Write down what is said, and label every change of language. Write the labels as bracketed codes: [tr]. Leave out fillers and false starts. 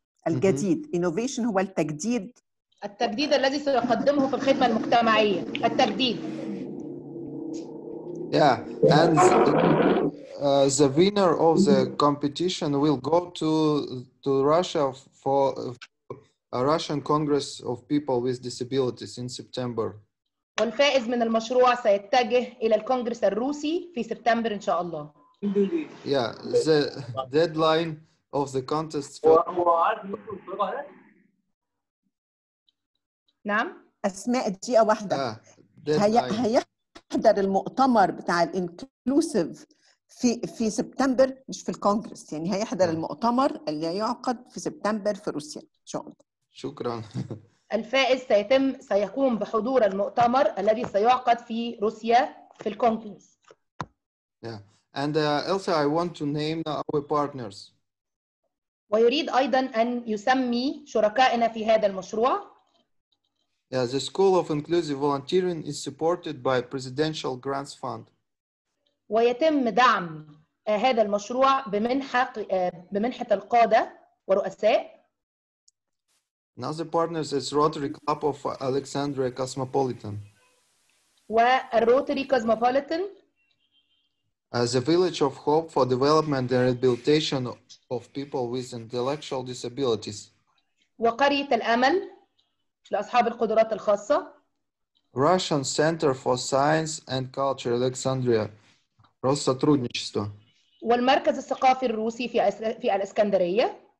[ar] الجديد innovation هو التجديد التجديد الذي سيقدمه في الخدمة المجتمعية التجديد [en] yeah and the winner of the competition will go to Russia for a Russian Congress of People with Disabilities in September [ar] والفائز من المشروع سيتجه إلى الكونغرس الروسي في سبتمبر إن شاء الله [en] yeah the deadline of the contest. [ar] نعم أسماء دقيقة واحدة. هيحضر المؤتمر بتاع الانكلوسيف في سبتمبر مش في الكونغرس يعني هيحضر المؤتمر اللي يعقد في سبتمبر في روسيا إن شاء الله. شكرا. الفائز سيتم سيقوم بحضور المؤتمر الذي سيعقد في روسيا في الكونغرس. [en] Yeah. And Elsa, I want to name our partners. [ar] ويريد أيضا أن يسمي شركائنا في هذا المشروع. [en] Yeah, the School of Inclusive Volunteering is supported by Presidential Grants Fund. [ar] ويتم دعم هذا المشروع بمنحة القادة ورؤساء. [en] Another partner is Rotary Club of Alexandria Cosmopolitan. [ar] والروتري كوزموبوليتان. [en] As a village of hope for development and rehabilitation of people with intellectual disabilities. [ar] وقرية الأمل لأصحاب القدرات الخاصة. [en] Russian Center for Science and Culture Alexandria. [ru] Россотрудничество. [ar] والمركز الثقافي الروسي في الإسكندرية.